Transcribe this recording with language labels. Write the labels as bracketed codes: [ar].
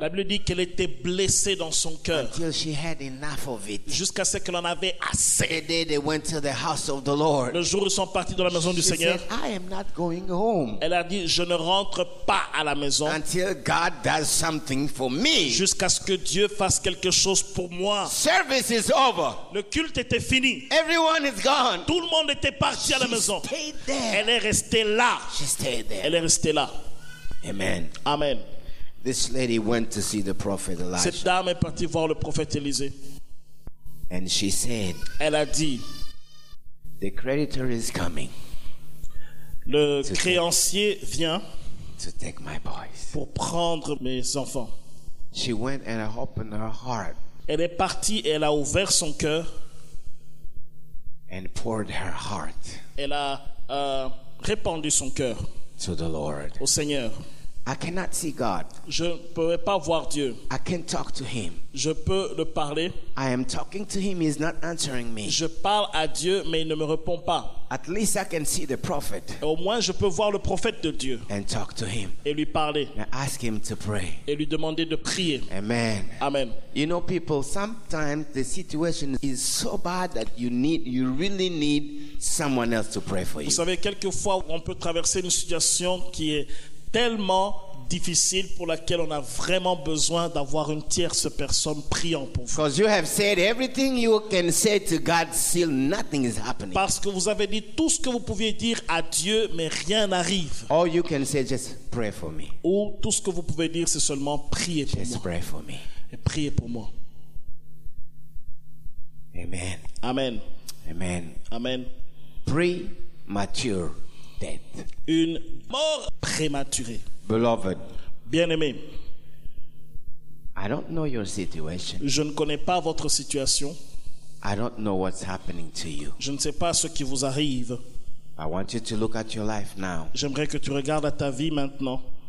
[fr] La Bible dit qu'elle était blessée dans son cœur. [en] Until she had enough of it. [fr] Jusqu'à ce qu'elle en avait assez. [en] The day they went to the house of the Lord. [fr] Le jour où ils sont partis dans la maison [en] she [fr] du Seigneur. [en] Said, I am not going home. [fr] Elle a dit, je ne rentre pas à la maison. [en] Until God does something for me. [fr] Jusqu'à ce que Dieu fasse quelque chose pour moi. [en] Service is over. [fr] Le culte était fini. [en] Everyone is gone. [fr] Tout le monde était parti [en] she [fr] à la maison. [en] Stayed there. [fr] Elle est restée là. [en] She stayed there. [fr] Elle est restée là. [en] Amen. [fr] Amen. [en] This lady went to see the prophet Elijah. [fr] Cette dame est partie voir le prophète Élisée. [en] And she said, [fr] elle a dit, [en] the creditor is coming. [fr] Le créancier vient [en] to take my boys. [fr] Pour prendre mes enfants. [en] She went and opened her heart. [fr] Elle est partie et elle a ouvert son cœur. [en] And poured her heart. [fr] Elle a répandu son cœur au Seigneur. [en] I cannot see God. [fr] Je ne pourrais pas voir Dieu. [en] I can talk to him. [fr] Je peux le parler. [en] I am talking to him, he's not answering me. [fr] Je parle à Dieu, mais il ne me répond pas. [en] At least I can see the prophet. [fr] Au moins, je peux voir le prophète de Dieu. [en] And talk to him. [fr] Et lui parler. [en] And ask him to pray. [fr] Et lui demander de prier. [en] Amen. [fr] Amen. [en] You know, people, sometimes the situation is so bad that you really need someone else to pray for you. [fr] Vous savez, quelquefois, on peut traverser une situation qui est tellement difficile pour laquelle on a vraiment besoin d'avoir une tierce personne priant pour vous. [en] Because you have said everything you can say to God, still nothing is happening. [fr] Parce que vous avez dit tout ce que vous pouviez dire à Dieu, mais rien n'arrive. [en] Or you can say just pray for me. [fr] Ou tout ce que vous pouvez dire, c'est seulement prier pour [en] just [fr] moi. [en] Pray for me. [fr] Et priez pour moi. [en] Amen. [fr] Amen. [en] Amen. [fr] Amen. [en] Premature. Death. [fr] Une mort prématurée. [en] Beloved, [fr] bien-aimé, [en] I don't know your situation. [fr] Je ne connais pas votre situation. [en] I don't know what's happening to you. [fr] Je ne sais pas ce qui vous arrive. [en] I want you to look at your life now. [fr] J'aimerais que tu regardes à ta vie maintenant.